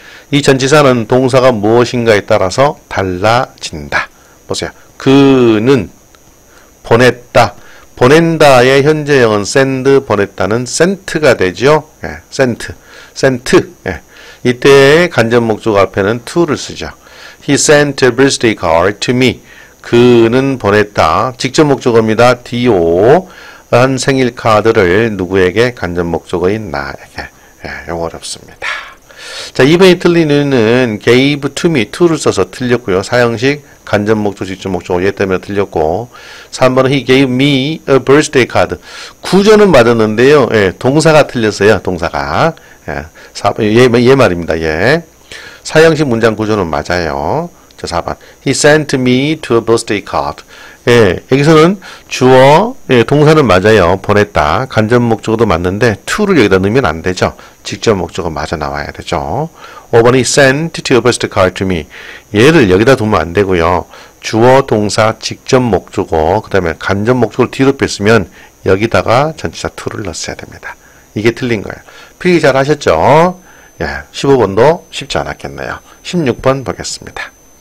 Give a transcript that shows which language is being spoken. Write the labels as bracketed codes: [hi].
[ko] 이 전치사는 동사가 무엇인가에 따라서 달라진다. 보세요. 그는 보냈다. 보낸다의 현재형은 send, 보냈다는 sent가 되죠. 예, sent. sent. 예. 이때 간접목적어 앞에는 to를 쓰죠. [en] He sent a birthday card to me. [ko] 그는 보냈다. 직접목적어입니다. do. 한 생일카드를 누구에게? 간접목적어인 나에게. 예, 영어 어렵습니다. 자, 이번에 틀린 이유는 [en] gave to me, [ko] to를 써서 틀렸고요. 사형식. 간접목적, 직접목적, 얘 때문에 틀렸고. [en] 3번은 he gave me a birthday card. [ko] 구조는 맞았는데요. 예, 동사가 틀렸어요. 동사가. 예, 4번, 얘 말입니다. 예. 사형식 문장 구조는 맞아요. 자, 4번. [en] He sent me to a birthday card. [ko] 예, 여기서는 주어, 예, 동사는 맞아요. 보냈다. 간접목적어도 맞는데, to를 여기다 넣으면 안 되죠. 직접목적어 맞아 나와야 되죠. [en] 5번이 sent to a birthday card to me. [ko] 얘를 여기다 두면 안 되고요. 주어, 동사, 직접목적어, 그 다음에 간접목적어를 뒤로 뺐으면 여기다가 전치사 to를 넣었어야 됩니다. 이게 틀린 거예요. 필기 잘 하셨죠? 예, 15번도 쉽지 않았겠네요. 16번 보겠습니다.